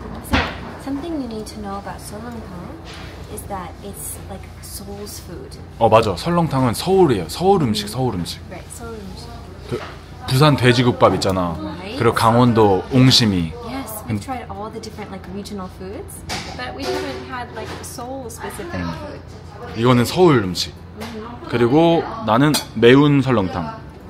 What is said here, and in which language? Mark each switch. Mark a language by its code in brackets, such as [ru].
[en] So, something you need to know about 설렁탕 is that it's like Seoul's food. [ko] 어, 맞아. 설렁탕은 서울이에요. 서울 음식, 서울 음식. [en] Right, [ko] 서울 음식. 그 부산 돼지국밥 있잖아. [en] Right. [ko] 그리고 강원도 옹심이. [en] Yes, we tried all the different like regional foods, but we haven't had like Seoul specific food. [ko] 이거는 서울 음식. 그리고 나는 매운 설렁탕.